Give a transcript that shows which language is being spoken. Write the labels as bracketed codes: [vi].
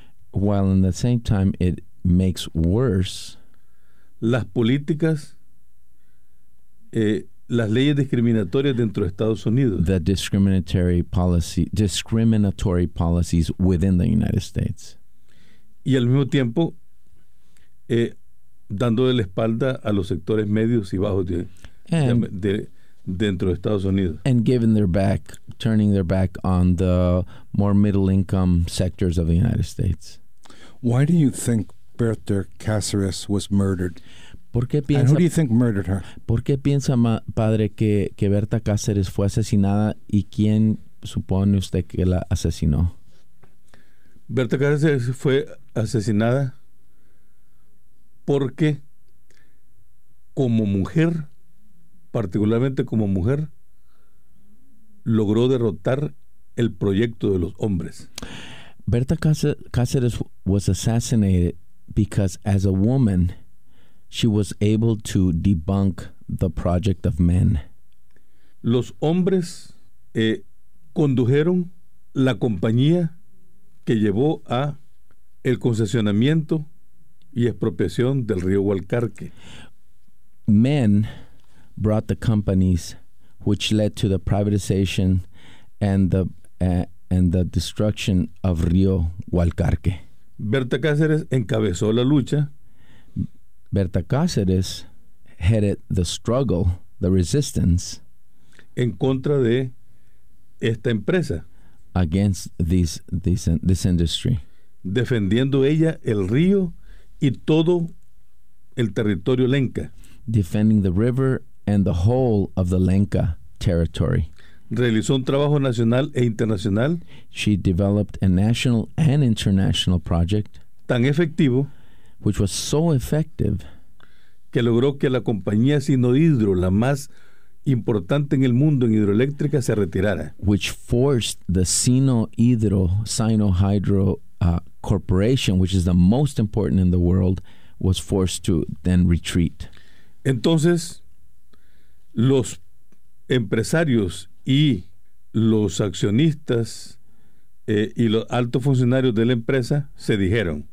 [en] While in the same time it makes worse. [es] Las políticas las leyes discriminatorias dentro de Estados Unidos. [en] The discriminatory policy, discriminatory policies within the United States. [es] Y al mismo tiempo, dando de la espalda a los sectores medios y bajos de dentro de Estados Unidos. [en] And giving their back, turning their back on the more middle-income sectors of the United States. Why do you think Bertha Cáceres was murdered? [es] ¿Por qué piensa, [en] and who do you think murdered her? [es] ¿Por qué piensa, padre, que Bertha Cáceres fue asesinada y quién supone usted que la asesinó? Bertha Cáceres fue asesinada porque como mujer, particularmente como mujer, logró derrotar el proyecto de los hombres. [en] Bertha Cáceres was assassinated because as a woman she was able to debunk the project of men. [es] Los hombres condujeron la compañía que llevó a el concesionamiento y expropiación del río Hualcarque. [en] Men brought the companies which led to the privatization and the destruction of Río Hualcarque. [es] Bertha Cáceres encabezó la lucha. [en] Bertha Cáceres headed the struggle, the resistance, [es] en contra de esta empresa. [en] Against this industry. [es] Defendiendo ella el río y todo el territorio lenca. [en] Defending the river and the whole of the Lenca territory. [es] Realizó un trabajo nacional e internacional. [en] She developed a national and international project. [es] Tan efectivo. [en] Which was so effective. [es] Que logró que la compañía Sinohidro, la más importante en el mundo en hidroeléctrica, se retirara. [en] Which forced the Sinohydro Corporation, which is the most important in the world, was forced to then retreat. [es] Entonces, los empresarios y los accionistas y los altos funcionarios de la empresa se dijeron.